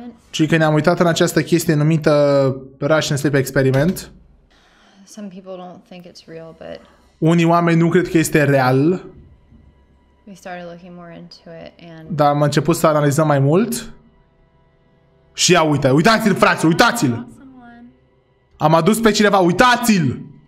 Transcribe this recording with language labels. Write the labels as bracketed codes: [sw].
[ro] Și că ne-am uitat în această chestie numită Russian Sleep Experiment. [en] Some people don't think it's real, but [ro] unii oameni nu cred că este real. [en] We started looking more into it and... [ro] dar am început să analizăm mai mult. Și ia uite, uitați-l, frate, uitați-l! Am adus pe cineva, uitați-l!